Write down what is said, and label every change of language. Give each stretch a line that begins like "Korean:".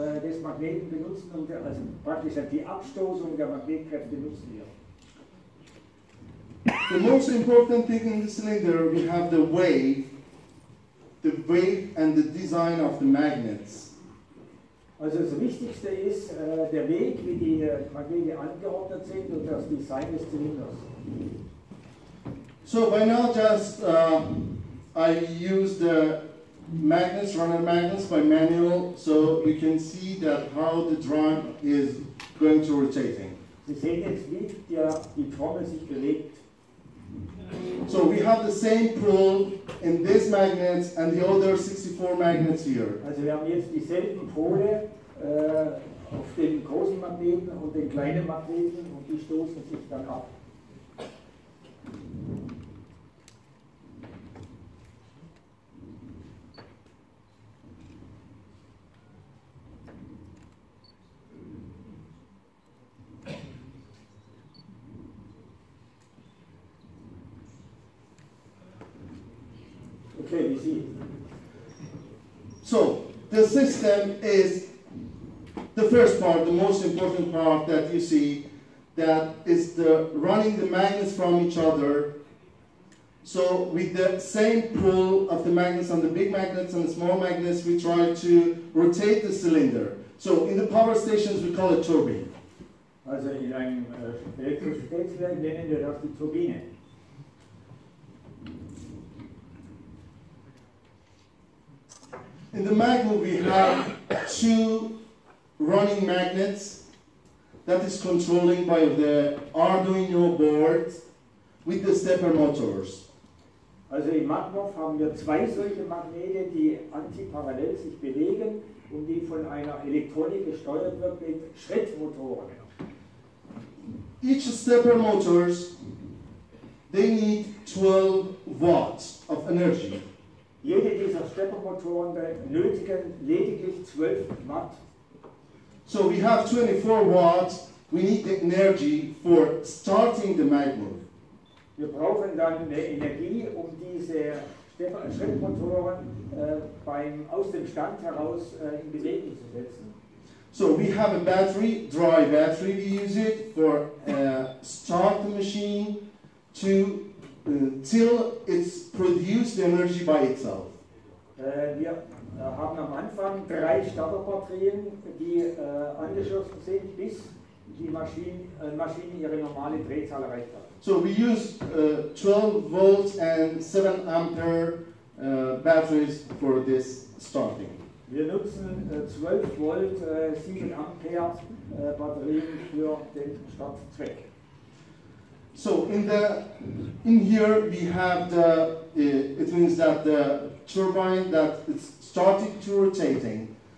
German: des Magneten benutzen, und also praktisch die Abstoßung der Magnetkräfte benutzen wir.
English: The most important thing in the cylinder, we have the wave and the design of the magnets.
German: Also das Wichtigste ist der Weg, wie die Magnete angeordnet sind, und das Design des Zylinders.
English: So by now just I use the magnets, runner magnets by manual, so we can see that how the drum is going to rotating.
German: Sie sehen jetzt, wie die Trommel sich bewegt.
English: So we have the same pull in this magnet and the other 64 magnets here.
German: Also wir haben jetzt dieselben Pole auf den großen Magneten und den kleinen Magneten, und die stoßen sich dann ab.
English: So, the system is the first part, the most important part that you see, that is the running the magnets from each other. So, with the same pull of the magnets on the big magnets and the small magnets, we try to rotate the cylinder. So, in the power stations, we call it turbine.
German: Also, in einem Elektrizitätswerk nennen wir das die Turbine.
English: In the Magmov, we have two running magnets that is controlling by the Arduino board with the stepper motors.
German: Also in Magmov haben wir zwei solche Magnete, die antiparallel sich bewegen und die von einer Elektronik gesteuert wird mit Schrittmotoren.
English: Each stepper motors, they need 12 watts of energy.
German: Jede dieser Steppermotoren benötigen lediglich 12 Watt.
English: So we have 24 Watt, we need the energy for starting the Magmov.
German: Wir brauchen dann eine Energie, um diese Steppermotoren aus dem Stand heraus in Bewegung zu setzen.
English: So we have a battery, dry battery, we use it for start the machine to till it's produced the energy by itself.
German: Wir haben am Anfang drei Starterbatterien, die angeschlossen sind, bis die Maschine ihre normale Drehzahl erreicht hat.
English: So we use 12 volts and 7 ampere batteries for this starting.
German: Wir nutzen 12 Volt, 7 Ampere Batterien für den Startzweck.
English: So in here we have the, it means that the turbine that it's starting to rotating.